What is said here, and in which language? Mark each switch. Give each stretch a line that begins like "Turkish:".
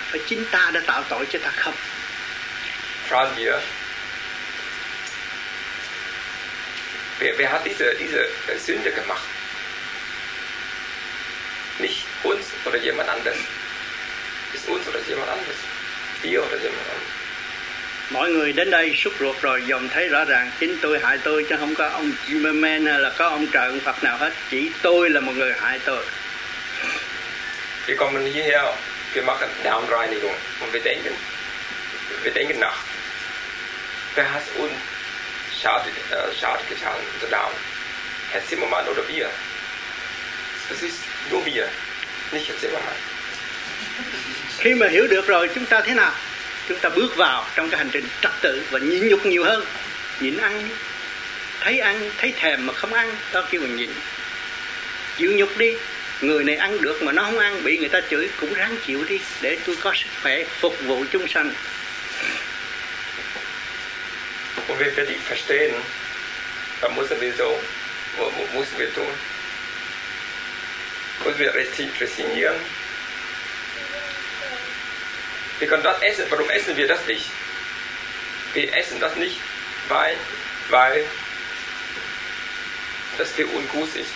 Vietnamese: Phải chính ta đã tạo tội cho ta không?
German: Fragen wir. Wer hat diese Sünde gemacht? Nicht uns oder jemand anders. Ist uns oder jemand anders. Wir oder jemand anders.
Vietnamese: Mọi người đến đây xúc ruột rồi dòm thấy rõ ràng chính tôi hại tôi, chứ không có ông Zimmerman hay là có ông trời ông Phật nào hết. Chỉ tôi là một người hại tôi.
German: Wir kommen hierher, wir machen Darmreinigung und wir denken nach, wer hat uns Schaden getan, unser Darm, Herr Zimmermann oder wir? Es ist nur wir, nicht Herr Zimmermann.
Vietnamese: Khi mà hiểu được rồi chúng ta thế nào? Chúng ta bước vào trong cái hành trình trật tự và nhịn nhục nhiều hơn, nhịn ăn, thấy thèm mà không ăn, đó kêu là nhịn, chịu nhục đi. Người này ăn được mà nó không ăn, bị người ta chửi, cũng ráng chịu đi, để tôi có sức khỏe phục vụ chúng sanh.
German: Und wenn wir dich verstehen, dann müssen wir so, müssen wir tun. Müssen wir resignieren. Wir können das essen, warum essen wir das nicht? Wir essen das nicht, weil das für uns gut ist.